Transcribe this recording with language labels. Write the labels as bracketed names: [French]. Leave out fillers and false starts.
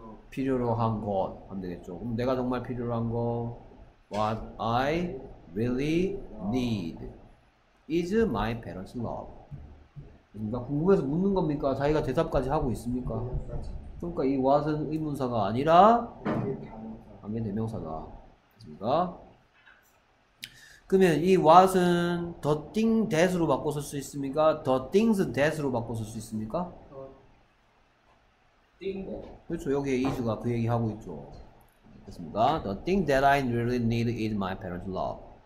[Korean] 필요로 한 것. 안 되겠죠? 그럼 내가 정말 필요로 한 거. [English] What I really need is my parents love. [Korean] 나 궁금해서 묻는 겁니까? 자기가 대답까지 하고 있습니까? 그러니까 이 what은 의문사가 아니라 관계대명사다. 그렇습니까? 그러면 이 what은 the thing that으로 바꿔 쓸수 있습니까? the things that으로 바꿔 쓸수 있습니까? 그렇죠. 여기에 is가 그 얘기하고 있죠. 그렇습니까? [English] the thing that I really need is my parents' love.